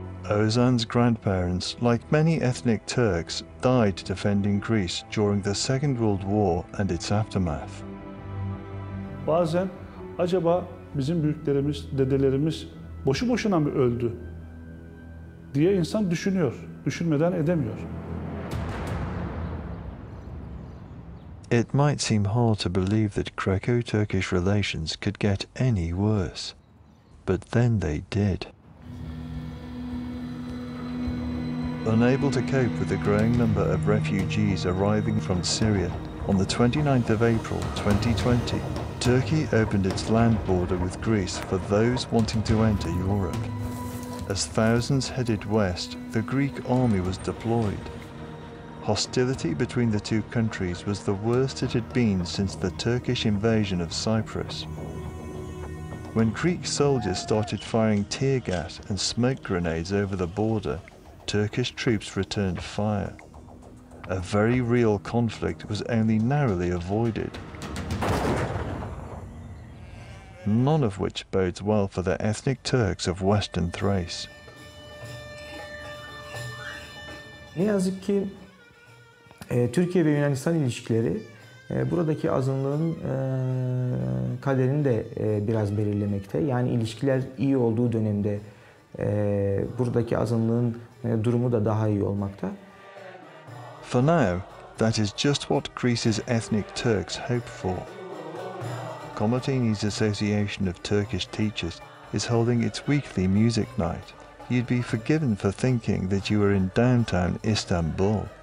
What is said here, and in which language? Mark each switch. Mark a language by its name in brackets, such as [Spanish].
[English] Ozan's grandparents, like many ethnic Turks, died defending Greece during the Second World War and its aftermath. [Turkish] Bazen acaba bizim büyüklerimiz, dedelerimiz boşu boşuna mı öldü diye insan düşünüyor, düşünmeden edemiyor. [English] It might seem hard to believe that Greco-Turkish relations could get any worse, but then they did. Unable to cope with the growing number of refugees arriving from Syria, on the 29th of April 2020, Turkey opened its land border with Greece for those wanting to enter Europe. As thousands headed west, the Greek army was deployed. Hostility between the two countries was the worst it had been since the Turkish invasion of Cyprus. When Greek soldiers started firing tear gas and smoke grenades over the border, Turkish troops returned fire. A very real conflict was only narrowly avoided. None of which bodes well for the ethnic Turks of Western Thrace. [Turkish] Ne yazık ki Türkiye ve Yunanistan ilişkileri buradaki azınlığın kaderini de biraz belirlemekte. Yani ilişkiler iyi olduğu dönemde buradaki azınlığın durumu da daha iyi olmakta. [English] For now, that is just what Greece's ethnic Turks hope for. Komotini's Association of Turkish Teachers is holding its weekly music night. You'd be forgiven for thinking that you were in downtown Istanbul.